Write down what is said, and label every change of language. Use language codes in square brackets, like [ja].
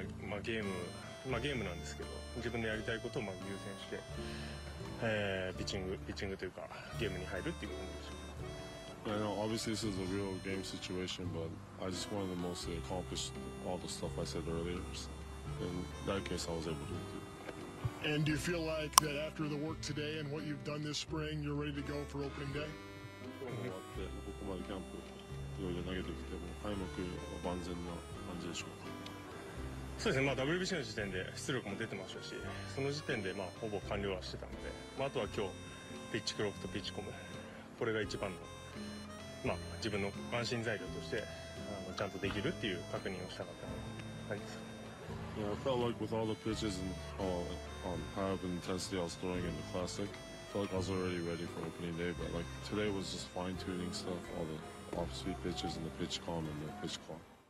[ja] まあゲームなんですけど、自分のやりたいことをまあ優先して、ピッチングというかゲームに入るっていう感じでしょうか。 [en] I know obviously this is a real game situation, but I just wanted to mostly accomplish all the stuff I said earlier. In that case, I was able to do. And do you feel like that after the work today and what you've done this spring, you're ready to go for opening day? [ja] 終わってここまでキャンプいろいろ投げてきて、もう開幕は万全な感じでしょうか。そうですね、まあ、WBC の時点で出力も出てましたし、その時点でまあほぼ完了はしてたので、まあ、あとは今日ピッチクロックとピッチコム、これが一番の、まあ、自分の安心材料としてちゃんとできるっていう確認をしたかったので、はい、 [en] Yeah, I felt like with all the pitches and high up intensity I was throwing in the classic, I felt like I was already ready for opening day, but like today was just fine tuning stuff, all the off speed pitches and the pitch calm and the pitch clock.